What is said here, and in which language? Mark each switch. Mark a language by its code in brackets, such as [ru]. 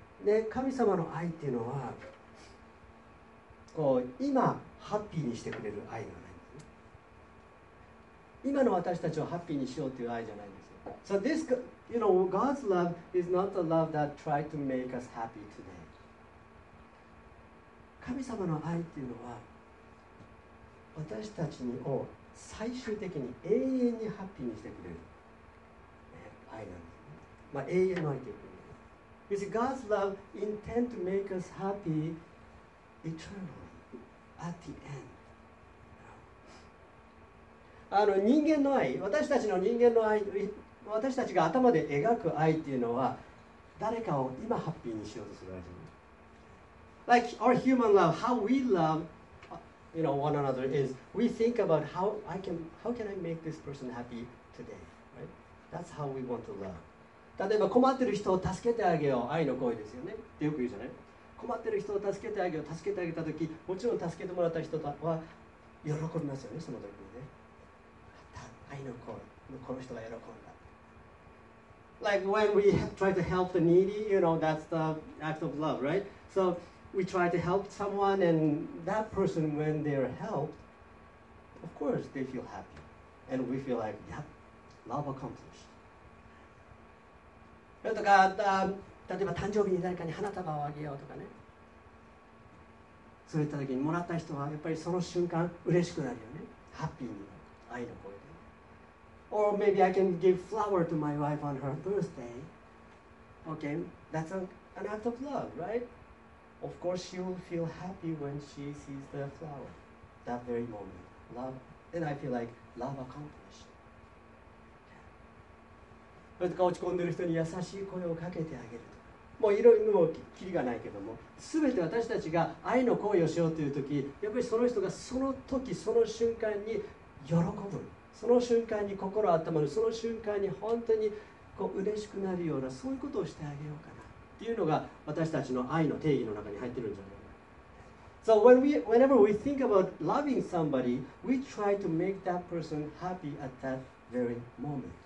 [ja] で神様の愛っていうのはこう今ハッピーにしてくれる愛ではないんです、ね、今の私たちをハッピーにしようっていう愛じゃないんですよ。 [en] So this, you know, God's love is not the love that tried to make us happy today. [ja] 神様の愛っていうのは私たちを最終的に永遠にハッピーにしてくれる、ね、愛なんです、ね、まあ永遠の愛ということ。 [en] You see, God's love intend to make us happy eternally at the end. [ja] あの人間の愛、私たちの人間の愛、私たちが頭で描く愛っていうのは誰かを今ハッピーにしようとする愛じゃない。 [en] Like our human love, how we love, you know, one another is we think about how can I make this person happy today, right? That's how we want to love. [ja] 例えば困ってる人を助けてあげよう、愛の行為ですよねってよく言うじゃない。困ってる人を助けてあげよう、助けてあげたとき、もちろん助けてもらった人は喜びますよね、その時にね。また愛の行為、この人が喜んだ。 [en] Like when we try to help the needy, you know, that's the act of love, right? So we try to help someone and that person, when they are helped, of course they feel happy and we feel like, yep, love accomplished [ja] とか、例えば誕生日に誰かに花束をあげようとかね、そういった時にもらった人はやっぱりその瞬間嬉しくなるよね、ハッピーに、愛の声で。 [en] Or maybe I can give flower to my wife on her birthday. Okay, that's an act of love, right? Of course she will feel happy when she sees the flower that very moment. Love, then I feel like love accomplished. [ja] それとか落ち込んでる人に優しい声をかけてあげると、もういろいろもうキリがないけども、すべて私たちが愛の行為をしようというとき、やっぱりその人がその時その瞬間に喜ぶ、その瞬間に心温まる、その瞬間に本当にこう嬉しくなるような、そういうことをしてあげようかなっていうのが私たちの愛の定義の中に入ってるんじゃないか。 [en] So whenever we think about loving somebody, we try to make that person happy at that very moment.